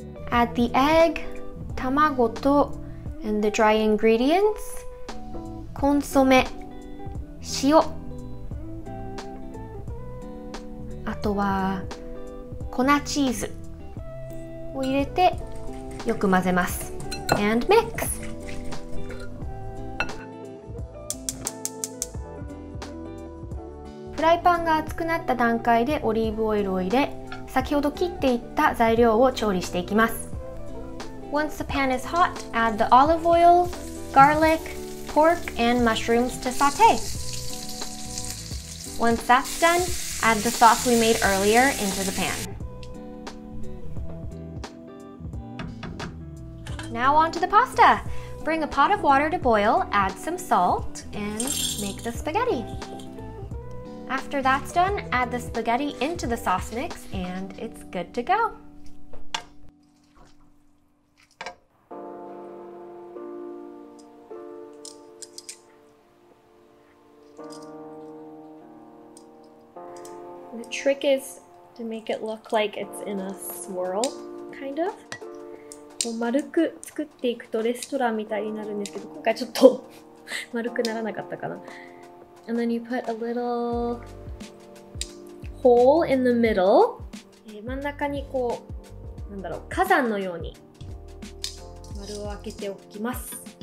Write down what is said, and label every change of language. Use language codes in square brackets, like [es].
[en] Add the egg, [ja] 卵と、 [en] and the dry ingredients, [ja] コンソメ、塩、あとは粉チーズを入れてよく混ぜます。 [en] And mix. [ja] フライパンが熱くなった段階でオリーブオイルを入れ、先ほど切っていった材料を調理していきます。 [en] Once the pan is hot, add the olive oil, garlic, pork, and mushrooms to saute. Once that's done,Add the sauce we made earlier into the pan. Now on to the pasta. Bring a pot of water to boil, add some salt, and make the spaghetti. After that's done, add the spaghetti into the sauce mix, and it's good to go. The trick is to make it look like it's in a swirl, kind of. [ja] こう丸く作っていくとレストランみたいになるんですけど、今回ちょっと丸くならなかったかな。 [en] And then you put a little hole in the middle. [ja] 真ん中にこう、なんだろう、火山のように丸を開けておきます。